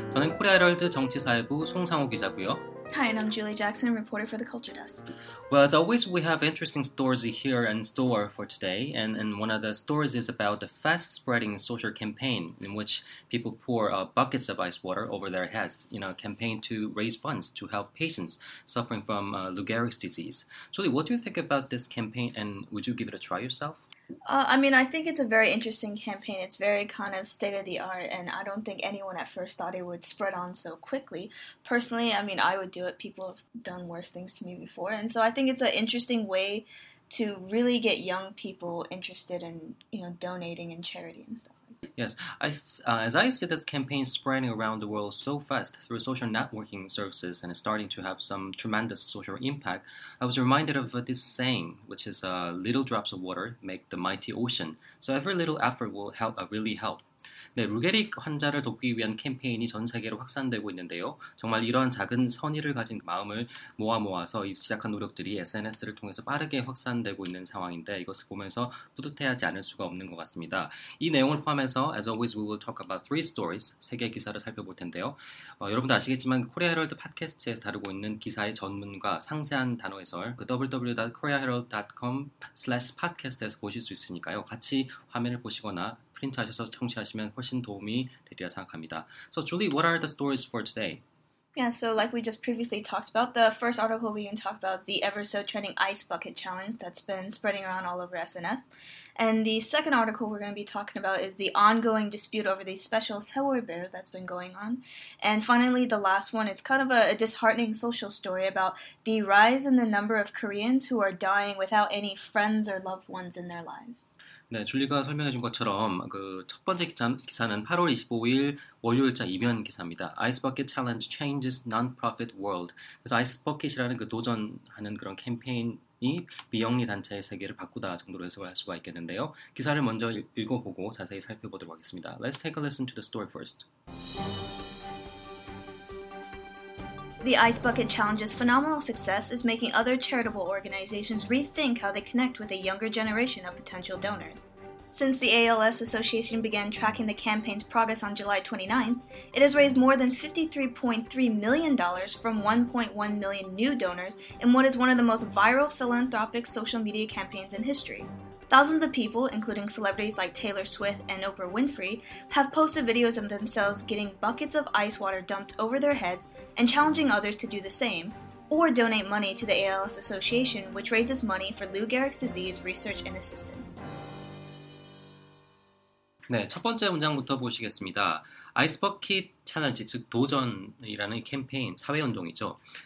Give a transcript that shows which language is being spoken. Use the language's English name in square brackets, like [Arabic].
[Korean] 저는 코리아 헤럴드 정치사회부 송상호 기자고요. [English] Hi, and I'm Julie Jackson, reporter for the Culture Desk. Well, as always, we have interesting stories here in store for today. And one of the stories is about the fast-spreading social campaign in which people pour buckets of ice water over their heads in a campaign to raise funds to help patients suffering from Lou Gehrig's disease. Julie, what do you think about this campaign, and would you give it a try yourself? I think it's a very interesting campaign. It's very kind of state-of-the-art, and I don't think anyone at first thought it would spread on so quickly. Personally, I mean, I would do it. People have done worse things to me before. And so I think it's an interesting way to really get young people interested in, you know, donating and charity and stuff. Yes, as I see this campaign spreading around the world so fast through social networking services and starting to have some tremendous social impact, I was reminded of this saying, which is, little drops of water make the mighty ocean. So every little effort will help, really help. [Korean] 네, 루게릭 환자를 돕기 위한 캠페인이 전 세계로 확산되고 있는데요. 정말 이러한 작은 선의를 가진 마음을 모아서 시작한 노력들이 SNS를 통해서 빠르게 확산되고 있는 상황인데 이것을 보면서 뿌듯해하지 않을 수가 없는 것 같습니다. 이 내용을 포함해서 [English] As always, we will talk about three stories, [Korean] 세 개 기사를 살펴볼 텐데요. 여러분도 아시겠지만 코리아 헤럴드 팟캐스트에서 다루고 있는 기사의 전문과 상세한 단어 해설 그 www.koreaherald.com/podcast에서 보실 수 있으니까요. 같이 화면을 보시거나 프린트하셔서 청취하시면 훨씬 도움이 되리라 생각합니다. [English] So Julie, what are the stories for today? Yeah, so like we just previously talked about, the first article we can talk about is the ever-so-trending ice bucket challenge that's been spreading around all over SNS. And the second article we're going to be talking about is the ongoing dispute over the special Seoul bear that's been going on. And finally, the last one is kind of a disheartening social story about the rise in the number of Koreans who are dying without any friends or loved ones in their lives. [Korean] 네, 줄리가 설명해 준 것처럼 그 첫 번째 기사는 8월 25일 월요일자 이면 기사입니다. [English] Ice Bucket Challenge Changes Non-Profit World. [Korean] 그래서 아이스버킷이라는 그 도전하는 그런 캠페인이 비영리 단체의 세계를 바꾸다 정도로 해석을 할 수가 있겠는데요. 기사를 먼저 읽어보고 자세히 살펴보도록 하겠습니다. [English] Let's take a listen to the story first. The Ice Bucket Challenge's phenomenal success is making other charitable organizations rethink how they connect with a younger generation of potential donors. Since the ALS Association began tracking the campaign's progress on July 29th, it has raised more than $53.3 million from 1.1 million new donors in what is one of the most viral philanthropic social media campaigns in history. Thousands of people, including celebrities like Taylor Swift and Oprah Winfrey, have posted videos of themselves getting buckets of ice water dumped over their heads and challenging others to do the same, or donate money to the ALS Association, which raises money for Lou Gehrig's disease research and assistance. [Korean] 네, 첫 번째 문장부터 보시겠습니다. 아이스버킷 챌린지, 즉 도전이라는 캠페인, 사회운동이죠.